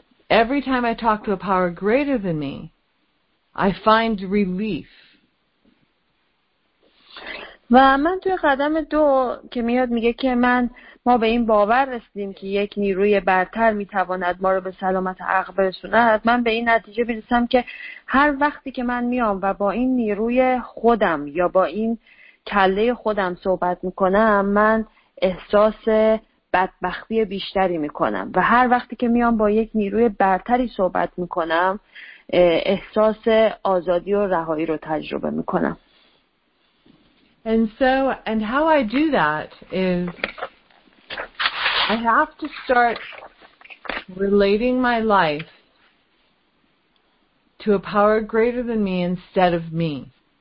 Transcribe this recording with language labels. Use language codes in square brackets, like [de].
[en] Every time I talk to a power greater than me, I find relief. [fa] و من توی قدم دو که میاد میگه که ما به این باور رسیدیم که یک نیروی برتر میتواند ما رو به سلامت عقل برسوند، من به این نتیجه میرسم که هر وقتی که من میام و با این نیروی خودم یا با این کله خودم صحبت میکنم، من احساس بدبختی بیشتری میکنم، و هر وقتی که میام با یک نیروی برتری صحبت میکنم، احساس آزادی و رهایی رو تجربه میکنم. [en] And how I do that is I have to start relating my life to a power greater than me instead of me.